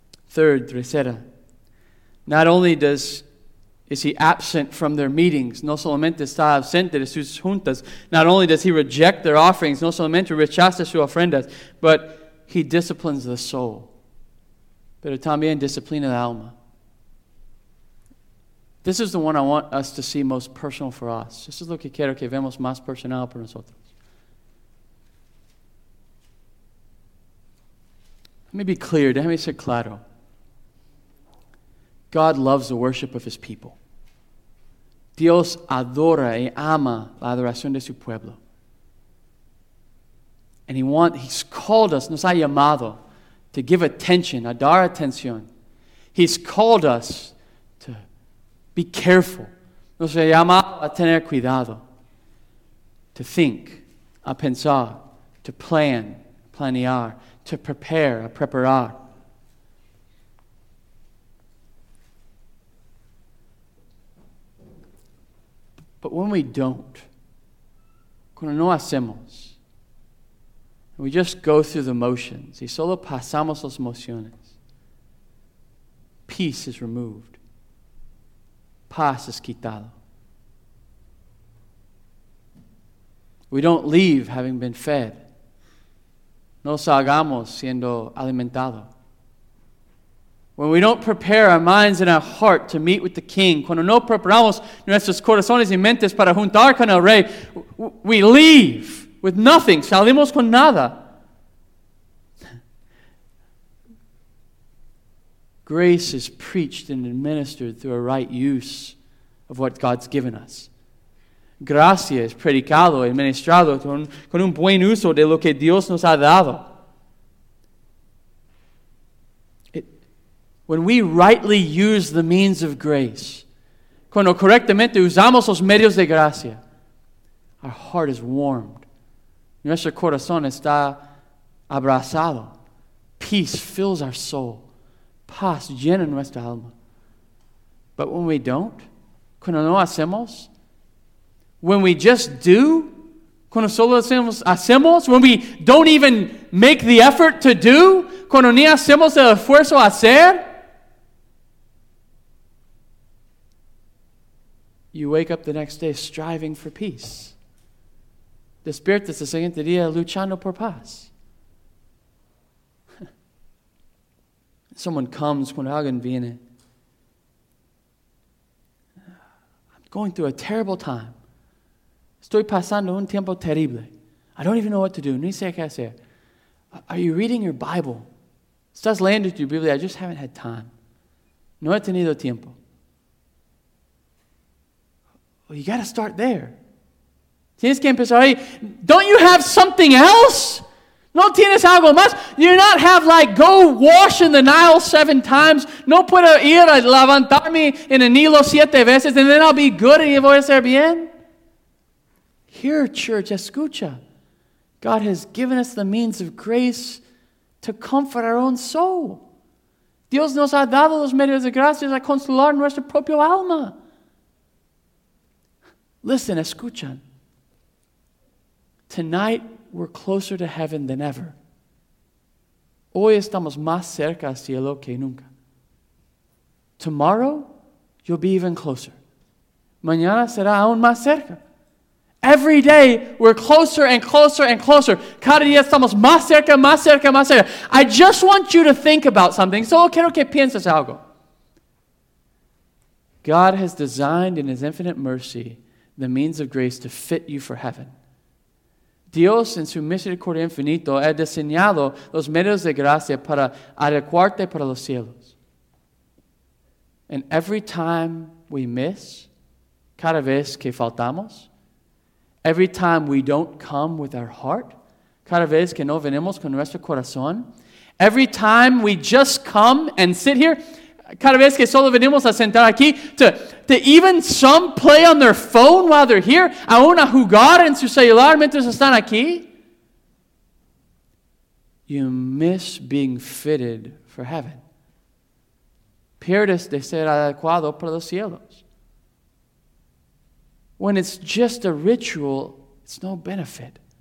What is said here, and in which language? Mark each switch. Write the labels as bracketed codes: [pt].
[en] Third, [es] tercera. [en] Not only is he absent from their meetings, [es] no solamente está ausente de sus juntas, [en] not only does he reject their offerings, [es] no solamente rechaza sus ofrendas, [en] but he disciplines the soul. [es] Pero también disciplina la alma. [en] This is the one I want us to see most personal for us. This is [es] lo que quiero que vemos más personal por nosotros. [en] Let me be clear. [es] Déjame ser claro. [en] God loves the worship of his people. [es] Dios adora y ama la adoración de su pueblo. [en] And he's called us, [es] nos ha llamado, [en] to give attention, [es] a dar atención. [en] He's called us to be careful. [es] Nos ha llamado a tener cuidado. [en] To think, [es] a pensar, [en] to plan, [es] planear, [en] to prepare, [es] a preparar. [en] But when we don't, [es] cuando no hacemos, [en] we just go through the motions, [es] y solo pasamos las emociones, [en] peace is removed. [es] Paz es quitado. [en] We don't leave having been fed. [es] No salgamos siendo alimentado. [en] When we don't prepare our minds and our heart to meet with the King, [es] cuando no preparamos nuestros corazones y mentes para juntar con el Rey, [en] we leave with nothing. [es] Salimos con nada. [en] Grace is preached and administered through a right use of what God's given us. [es] Gracia es predicado y administrado con un buen uso de lo que Dios nos ha dado. [en] When we rightly use the means of grace, [es] cuando correctamente usamos los medios de gracia, [en] our heart is warmed. [es] Nuestro corazón está abrazado. [en] Peace fills our soul. [es] Paz llena nuestra alma. [en] But when we don't, [es] cuando no hacemos, [en] when we just do, [es] cuando solo hacemos, [en] when we don't even make the effort to do, [es] cuando ni hacemos el esfuerzo a hacer, [en] you wake up the next day striving for peace. [es] Despiertas el siguiente día luchando por paz. [en] Someone comes [es] cuando alguien viene. [en] I'm going through a terrible time. [es] Estoy pasando un tiempo terrible. [en] I don't even know what to do. [es] Ni sé qué hacer. [en] Are you reading your Bible? [es] Estás leyendo tu Biblia. [en] I just haven't had time. [es] No he tenido tiempo. [en] Well, you got to start there. [es] Tienes que empezar ahí. [en] Don't you have something else? [es] No tienes algo más? [en] You not have like, go wash in the Nile 7 times. [es] No puedo ir a levantarme en el Nilo 7 veces [en] and then I'll be good [es] and voy a ser bien? [en] Here, church, [es] escucha. [en] God has given us the means of grace to comfort our own soul. [es] Dios nos ha dado los medios de gracia a consolar nuestra propia alma. [en] Listen, escuchan. Tonight, we're closer to heaven than ever. [es] Hoy estamos más cerca al cielo que nunca. [en] Tomorrow, you'll be even closer. [es] Mañana será aún más cerca. [en] Every day, we're closer and closer and closer. [es] Cada día estamos más cerca, más cerca, más cerca. [en] I just want you to think about something. [es] Solo quiero que pienses algo. [en] God has designed in his infinite mercy the means of grace to fit you for heaven. [es] Dios, en su misericordia infinito, ha diseñado los medios de gracia para adecuarte para los cielos. [en] And every time we miss, [es] cada vez que faltamos, [en] every time we don't come with our heart, [es] cada vez que no venimos con nuestro corazón, [en] every time we just come and sit here, [es] cada vez que solo venimos a sentar aquí, [en] to even some play on their phone while they're here, [es] aún a jugar en su celular mientras están aquí, [en] you miss being fitted for heaven. [es] pierdes de ser adecuado para los cielos. [en] When it's just a ritual, it's no benefit.